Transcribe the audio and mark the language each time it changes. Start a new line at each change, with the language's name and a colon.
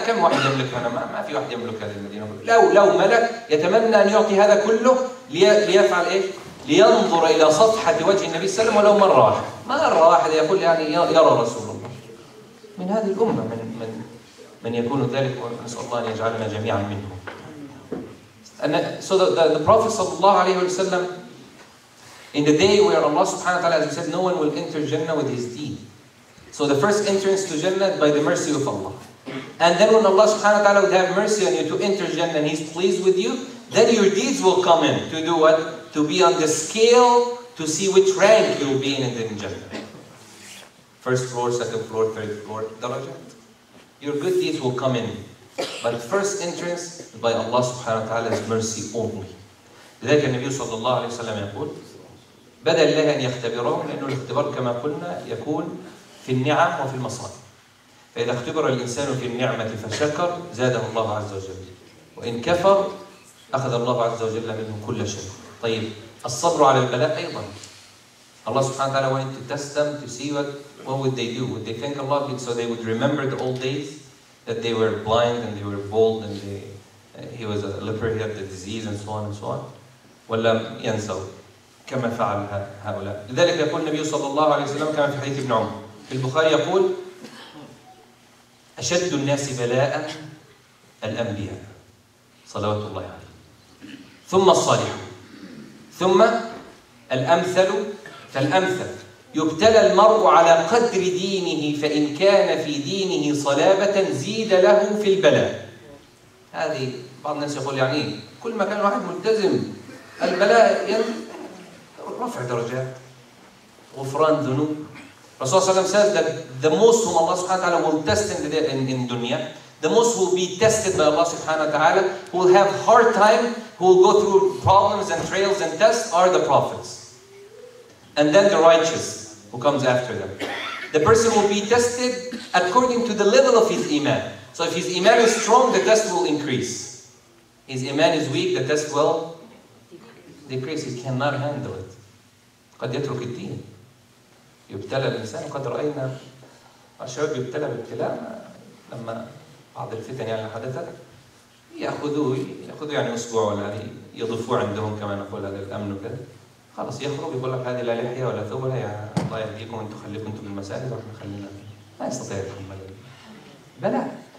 Arabic: كم واحد يملك هنا؟ ما في واحد يملك هذه المدينة. لو ملك يتمنى أن يعطي هذا كله ليفعل إيه؟ لينظر إلى سطحة وجه النبي صلى الله عليه وسلم ولو مرة واحدة. يقول يعني يرى رسول الله من هذه الأمة، من يكون ذلك؟ ونسأل الله أن يجعلنا جميعا منهم.
English: So the Prophet صلى الله عليه وسلم، in the day where Allah subhanahu wa ta'ala, as we said, no one will enter Jannah with his deed. So the first entrance to Jannah by the mercy of Allah. And then when Allah subhanahu wa ta'ala would have mercy on you to enter Jannah and he's pleased with you, then your deeds will come in to do what? To be on the scale to see which rank you'll be in Jannah. First floor, second floor, third floor, darajat. Your good deeds will come in. But first entrance by Allah subhanahu wa ta'ala's mercy only.
Arabic: لذلك النبي صلى الله عليه وسلم يقول بدل الله أن يختبرهم، لأنه الاختبار كما قلنا يكون في النعم وفي المصائب. فإذا اختبر الإنسان في النعمة فشكر زاده الله عز وجل، وإن كفر أخذ الله عز وجل منه كل شيء. طيب الصبر على البلاء أيضا،
English: الله سبحانه وتعالى when to test them to see what would they do, would they thank Allah so they would remember the old days that they were blind and they were bald and he was a leper, he had the disease and so on and so on.
Arabic: ولا ينسوا كما فعل هؤلاء. لذلك يقول النبي صلى الله عليه وسلم كما في حديث ابن عمر في البخاري يقول أشد الناس بلاء الأنبياء صلوات الله عليه، ثم الصالحون، ثم الأمثل فالأمثل. يبتلى المرء على قدر دينه، فإن كان في دينه صلابة زيد له في البلاء. هذه بعض الناس يقول يعني كل ما كان واحد ملتزم البلاء رفع درجات غفران ذنوب.
English: رسول الله صلى الله عليه وسلم said that the most whom Allah سبحانه وتعالى will test in the dunya, the most who will be tested by Allah سبحانه وتعالى, who will have hard time, who will go through problems and trials and tests, are the prophets. And then the righteous who comes after them. The person will be tested according to the level of his iman. So if his iman is strong, the test will increase. His iman is weak, the test will decrease. He cannot handle it.
Arabic: قد يترك الدين، يبتلى الإنسان. قد رأينا الشباب يبتلى بابتلاء لما بعض الفتن يعني حدثت، يأخذوا يعني أسبوع ولا يضفوا عندهم كما نقول هذا الأمن وكذا، خلاص يخرج يقول لك هذه لا لحية ولا ثوب ولا، يا الله يهديكم أنتم خليكم أنتم بالمساجد وإحنا خلينا ما يستطيع يتحمل بلاء.